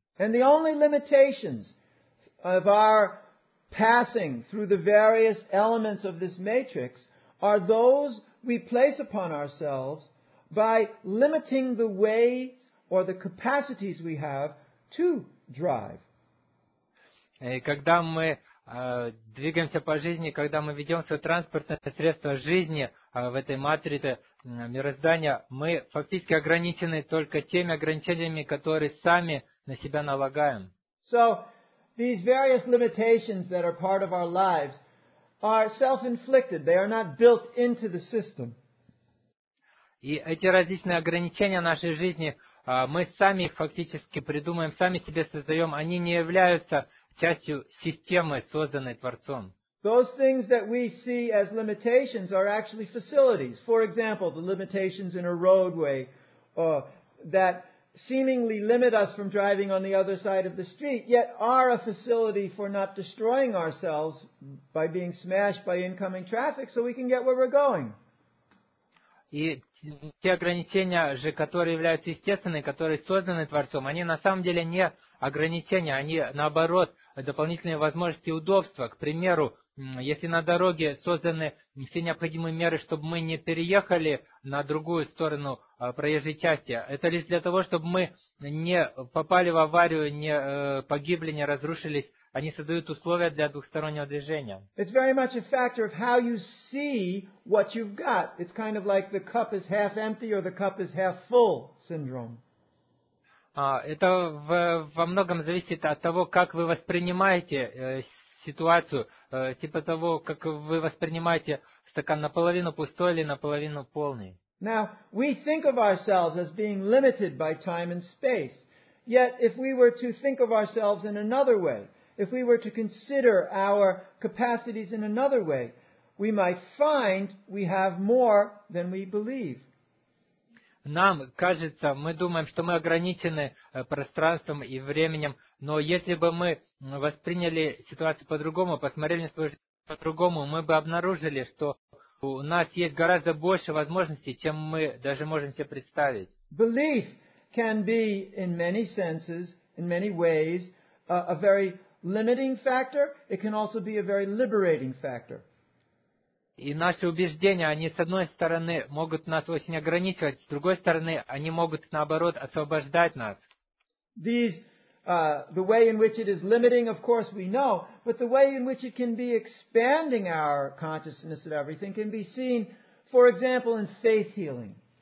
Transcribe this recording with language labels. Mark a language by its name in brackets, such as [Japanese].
[English] And the only limitations of our passing through the various elements of this matrix are those we place upon ourselves by limiting the ways or the capacities we have to drive. [Russian] И когда мы двигаемся по жизни, когда мы ведем свое транспортное средство жизни в этой матрице мироздания, мы фактически ограничены только теми ограничениями, которые сами на себя налагаем. [English] So, these various limitations that are part of our lives are self-inflicted. They are not built into the system. [Russian] И эти различные ограничения нашей жизни, мы сами фактически придумываем, сами себе создаем, они не являются частью системы, созданной Творцом. [English] Those things that we see as limitations are actually facilities. For example, the limitations in a roadway that seemingly limit us from driving on the other side of the street, yet are a facility for not destroying ourselves by being smashed by incoming traffic so we can get where we're going. [Russian] И те ограничения же, которые являются естественными, которые созданы Творцом, они на самом деле не ограничения, они наоборот дополнительные возможности и удобства. К примеру, если на дороге созданы все необходимые меры, чтобы мы не переехали на другую сторону проезжей части, это лишь для того, чтобы мы не попали в аварию, не погибли, не разрушились. Они создают условия для двухстороннего движения. [English] It's very much a factor of how you see what you've got. It's kind of like the cup is half empty or the cup is half full syndrome. [Russian] Это во многом зависит от того, как вы воспринимаете ситуацию, типа того, как вы воспринимаете стакан наполовину пустой или наполовину полный. [English] Now, we think of ourselves as being limited by time and space. Yet, if we were to think of ourselves in another way, if we were to consider our capacities in another way, we might find we have more than we believe. [Russian] Нам кажется, мы думаем, что мы ограничены пространством и временем, но если бы мы восприняли ситуацию по-другому, посмотрели на свою жизнь по-другому, мы бы обнаружили, что у нас есть гораздо больше возможностей, чем мы даже можем себе представить. [English] Belief can be in many senses, in many ways, a very limiting factor. It can also be a very liberating factor. [Russian] И наши убеждения, они с одной стороны могут нас очень ограничивать, с другой стороны, они могут наоборот освобождать нас. [English] These, the way in which it is limiting, of course, we know, but the way in which it can be expanding our consciousness of everything can be seen, for example, in faith healing.